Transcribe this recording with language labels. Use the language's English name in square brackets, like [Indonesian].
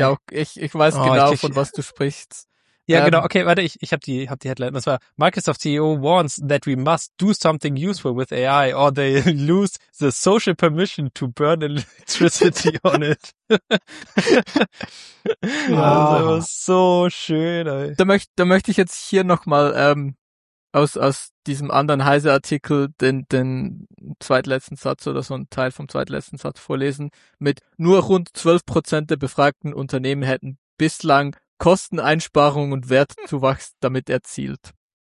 [German] Ich weiß genau, von was du sprichst. Ja, genau. Okay, warte, ich hab die Headline. Das war: [English] Microsoft CEO warns that we must do something useful with AI or they lose the social permission to burn electricity on it. Wow. [German] Das war so schön, ey. Da möchte ich jetzt hier nochmal aus diesem anderen Heise-Artikel den zweitletzten Satz oder so einen Teil vom zweitletzten Satz vorlesen. Mit nur rund 12% der befragten Unternehmen hätten bislang Kosteneinsparungen und Wertzuwachs damit erzielt.